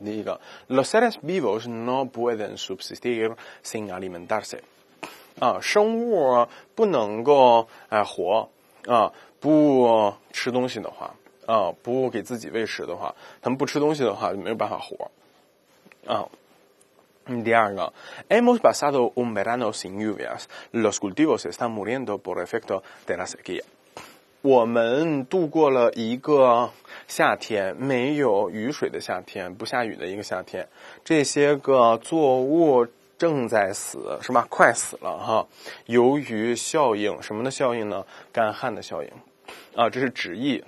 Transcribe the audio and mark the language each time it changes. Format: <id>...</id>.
<zh>第一个 ，</zh> <es>los seres vivos no pueden subsistir sin alimentarse</es> <zh>啊，生物不能够活啊，不吃东西的话啊，不给自己喂食的话，他们不吃东西的话就没有办法活啊。</zh> <es>第二个 ，hemos pasado un verano sin lluvias. Los cultivos están muriendo por efecto de la sequía.</es> <zh>我们度过了一个夏天，没有雨水的夏天，不下雨的一个夏天。这些个作物正在死，是吧？快死了哈。由于效应，什么的效应呢？干旱的效应。啊，这是直译。</zh>